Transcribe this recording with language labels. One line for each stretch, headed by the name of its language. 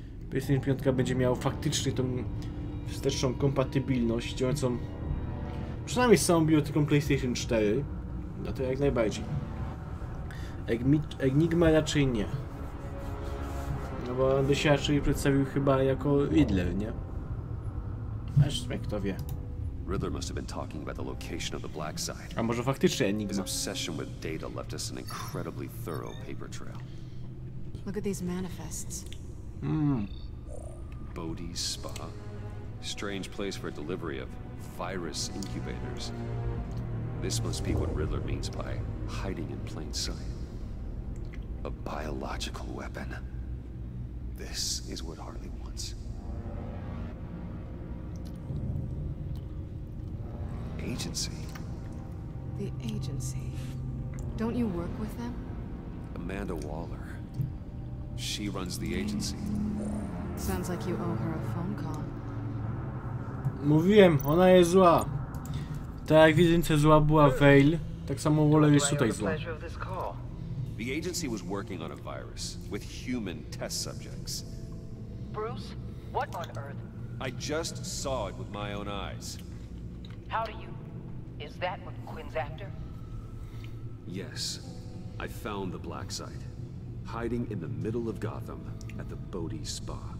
Polish: PlayStation 5 będzie miał faktycznie tą wsteczną kompatybilność działającą przynajmniej z samą biblioteką PlayStation 4. No to jak najbardziej. Enigma raczej nie. No bo on by się raczej przedstawił chyba jako Riddler, nie? Aż jak to wie.
English: Riddler must have been talking about the location of the Black Side.
Polish: A może faktycznie Enigma?
English: His obsession with data left us an incredibly thorough paper trail. Look at these manifests. Bodhi's Spa. Strange place for a delivery of virus incubators. This must be what Riddler means by hiding in plain sight. A biological weapon. This is what Harley wants. agency. The agency? Don't you work with them? Amanda Waller. She runs the agency. Sounds like you owe her a phone call.
Polish: Mówiłem, ona jest zła. Tak jak widzicie, zła była Veil, tak samo Waller jest tutaj zła.
English: The agency was working on a virus with human test subjects. Bruce, what on earth? I just saw it with my own eyes. How do you? Is that what Quinn's after? Yes. I found the black site, hiding in the middle of Gotham at the Bodhi Spa.